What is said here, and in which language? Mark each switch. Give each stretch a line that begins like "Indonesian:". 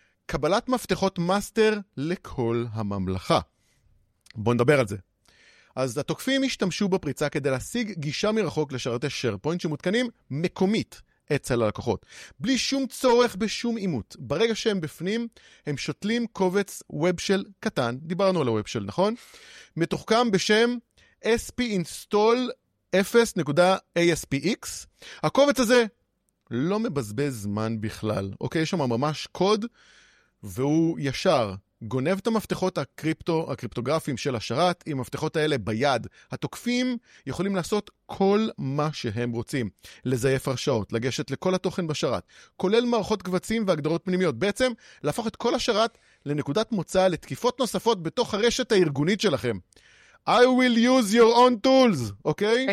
Hebrew: קבלת מפתחות מאסטר לכל הממלכה. בוא נדבר על זה. אז התוקפים השתמשו בפריצה כדי להשיג גישה מרחוק לשרתי שיירפוינט שמותקנים מקומית אצל הלקוחות. בלי שום צורך בשום אימות. ברגע שהם בפנים, הם שותלים קובץ וובשל קטן. דיברנו על הוובשל, נכון? מתוחכם בשם SP install 0.aspx. הקובץ הזה לא מבזבז זמן בכלל. אוקיי, יש שם ממש קוד... והוא ישר גונב את המפתחות הקריפטו, הקריפטוגרפיים של השרת, עם המפתחות האלה ביד. התוקפים יכולים לעשות כל מה שהם רוצים. לזייף הרשאות, לגשת לכל התוכן בשרת, כולל מערכות קבצים והגדרות פנימיות. בעצם, להפוך את כל השרת לנקודת מוצא, לתקיפות נוספות בתוך הרשת הארגונית שלכם.
English: I will use your own tools, okay?